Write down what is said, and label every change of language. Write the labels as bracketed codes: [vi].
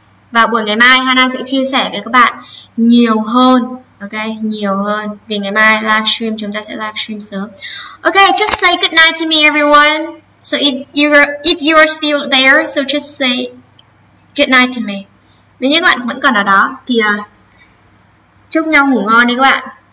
[vi] Và buổi ngày mai Hana sẽ chia sẻ với các bạn nhiều hơn, ok, nhiều hơn, vì ngày mai live stream chúng ta sẽ live stream sớm. [en] Ok, just say good night to me everyone. So if you are still there, so just say good night to me. [vi] Nếu như các bạn vẫn còn ở đó thì chúc nhau ngủ ngon đi các bạn.